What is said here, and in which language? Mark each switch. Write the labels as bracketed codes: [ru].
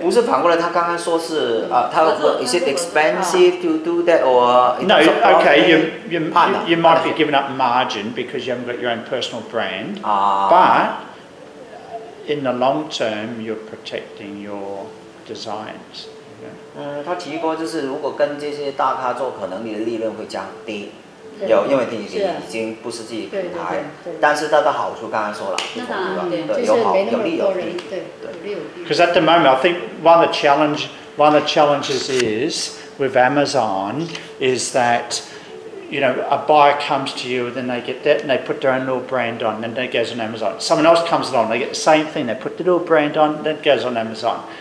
[zh] 不是反过来，他刚刚说是 [en] is it expensive to do that or? No, okay, you might be giving up margin because you haven't got your own personal brand, but in the long term, you're protecting your designs. You know? [zh] 有，因为你已经不是自己品牌，但是它的好处刚刚说了，对吧？对，有好有利有弊。 [en] Because at the moment, I think one of the challenge one of the challenges is with Amazon is that, you know, a buyer comes to you and then they get that and they put their own little brand on and then it goes on Amazon. Someone else comes along, they get the same thing, they put the little brand on, then it goes on Amazon.